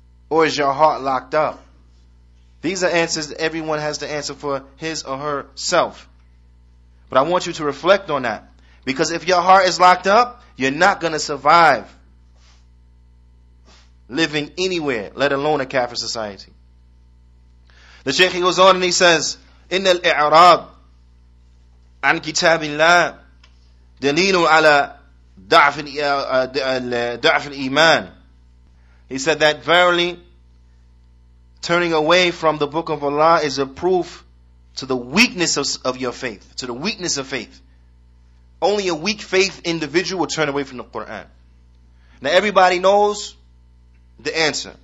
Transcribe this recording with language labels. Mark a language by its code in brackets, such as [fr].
[en] Or is your heart locked up? These are answers that everyone has to answer for his or herself. But I want you to reflect on that. Because if your heart is locked up, you're not going to survive living anywhere, let alone a Kafir society. The Shaykh goes on and he says, [ar] إِنَّ الْإِعْرَابِ عَنْ كِتَابِ اللَّهِ دَلِيلٌ عَلَى ضَعْفِ الْإِيمَانِ. [en] He said that verily, turning away from the Book of Allah is a proof to the weakness of your faith, to the weakness of faith. Only a weak faith individual will turn away from the Quran. Now everybody knows the answer.